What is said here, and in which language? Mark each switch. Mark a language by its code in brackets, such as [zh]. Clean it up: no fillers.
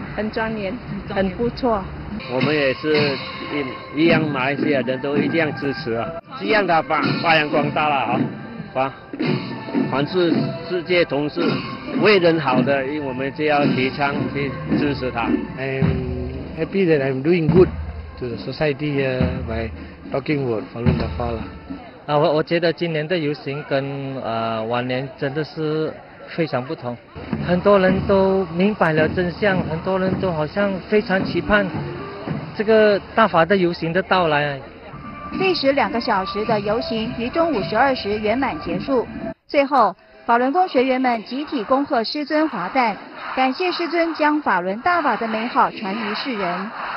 [zh] 很庄严，很不错。我们也是一样，马来西亚人都一样支持啊，一样的发扬光大了啊。凡是世界同事为人好的，因为我们就要提倡去支持他。 [en] I'm happy that I'm doing good to the society by talking about Falun Dafa. [zh] 我觉得今年的游行跟往年真的是非常不同，很多人都明白了真相，很多人都好像非常期盼这个大法的游行的到来。历时两个小时的游行于中午十二时圆满结束，最后法轮功学员们集体恭贺师尊华诞，感谢师尊将法轮大法的美好传于世人。